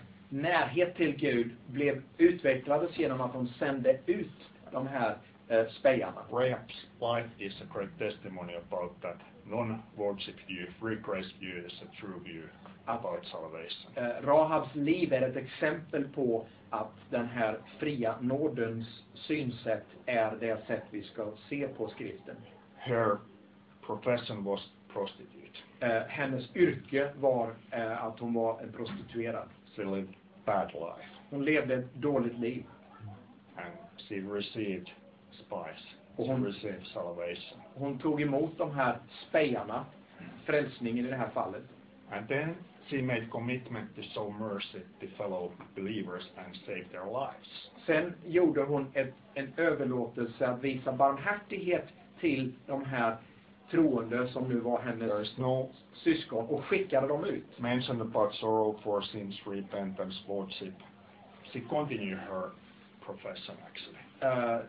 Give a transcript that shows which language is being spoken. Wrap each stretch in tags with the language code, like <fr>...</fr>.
<sv>närhet till Gud blev utvecklades genom att de sände ut de här spejarna.</sv> <en>Graham's life is a great testimony about that. Non-worship view, free grace view is a true view about salvation.</en> <sv>Rahabs liv är ett exempel på att den här fria nådens synsätt är det sätt vi ska se på skriften.</sv> <en>Her profession was prostitute.</en> <sv>Hennes yrke var att hon var en prostituerad.</sv> <en>She lived bad life.</en> <sv>Hon levde ett dåligt liv.</sv> <en>And she received spies.</en> <sv>Hon</sv> <en>received salvation.</en> <sv>Hon tog emot de här spejarna, frälsningen i det här fallet.</sv> <en>And then she made commitment to show mercy to fellow believers and save their lives.</en> <sv>Sen gjorde hon en överlåtelse att visa barmhärtighet till de här troende som nu var hennes syskon och skickade dem ut.</sv> <en>Mentioned about sorrow for sins, repentance, lordship. She continued her profession actually.</en>